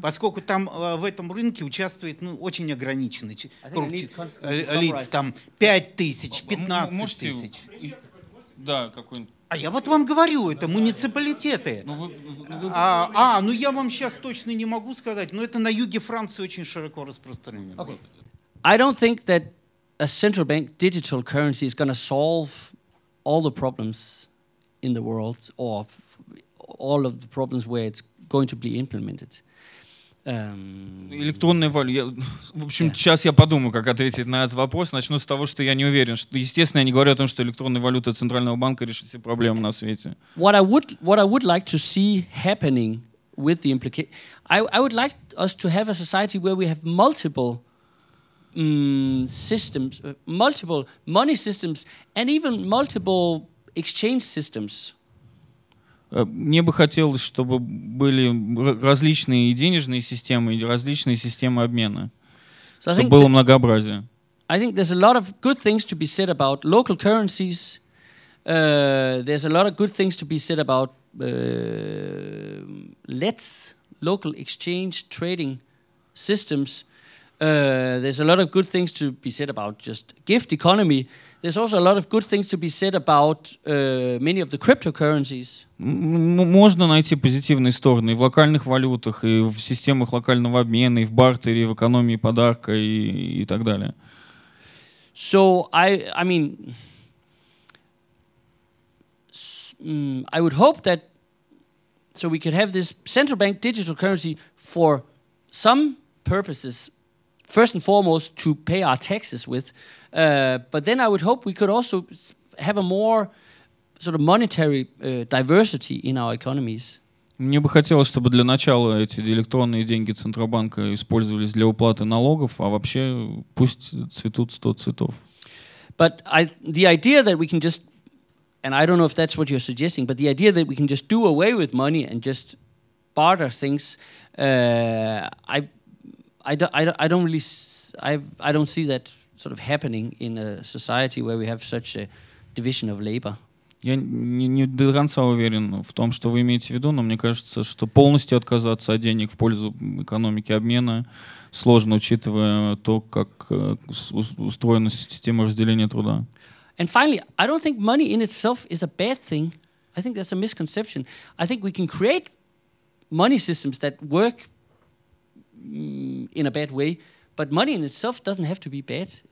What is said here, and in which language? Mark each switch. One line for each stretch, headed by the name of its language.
Russian: поскольку там в этом рынке участвует очень ограниченный круг лиц, там 5 тысяч, 15 можете... тысяч. Да, какой-нибудь. А я вот вам говорю, это муниципалитеты. Ну я вам сейчас точно не могу сказать, но это на юге Франции очень широко распространено.
English: Okay. I don't think that a central bank digital currency is going to solve all the problems in the world, or all of the problems where it's going to be implemented.
Russian: Электронная валюта. В общем, yeah. Сейчас я подумаю, как ответить на этот вопрос. Начну с того, что я не уверен. Естественно, я не говорю о том, что электронная валюта центрального банка решит все проблемы на свете.
English: What I would like to see happening with the I would like us to have a society where we have multiple systems, multiple money systems, and even multiple exchange systems.
Russian: Мне бы хотелось, чтобы были различные денежные системы и различные системы обмена. So чтобы было многообразие.
English: I think there's a lot of good things to be said about local currencies. There's a lot of good things to be said about let's local exchange trading systems. There's a lot of good things to be said about just gift economy. There's also a lot of good things to be said about many of the cryptocurrencies.
Russian: Можно найти позитивные стороны и в локальных валютах, и в системах локального обмена, и в бартере, и в экономии подарка, и так далее.
English: So, I would hope that so we could have this central bank digital currency for some purposes. First and foremost, to pay our taxes with. But then I would hope we could also have a more sort of monetary diversity in our economies.
Russian: Мне бы хотелось, чтобы для начала эти электронные деньги Центробанка использовались для уплаты налогов, а вообще пусть цветут 100 цветов.
English: But the idea that we can just, and I don't know if that's what you're suggesting, but the idea that we can just do away with money and just barter things, I don't see that sort of happening in a society where we have such a division of labor.
Russian: Я не до конца уверен в том, что вы имеете в виду, но мне кажется, что полностью отказаться от денег в пользу экономики обмена сложно, учитывая то, как устроена система разделения труда.
English: And finally, I don't think money in itself is a bad thing. I think that's a misconception. I think we can create money systems that work in a bad way, but money in itself doesn't have to be bad.